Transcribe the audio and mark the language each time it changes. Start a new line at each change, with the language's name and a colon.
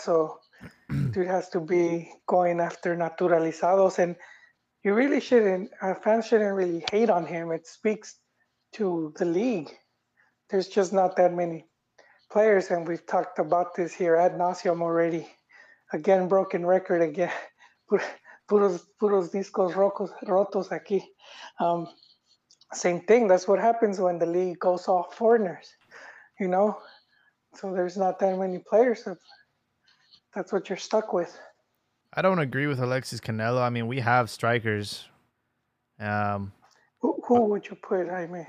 English: So dude has to be going after naturalizados. And you really shouldn't, our fans shouldn't really hate on him. It speaks to the league. There's just not that many players. And we've talked about this here ad nauseum already. Again, broken record again.
Spanish: Puros discos rotos aquí.
English: Same thing. That's what happens when the league goes off foreigners, you know? So there's not that many players. That's what you're stuck with. I don't agree with Alexis Canelo. I mean, we have strikers. Who would you put, Jaime?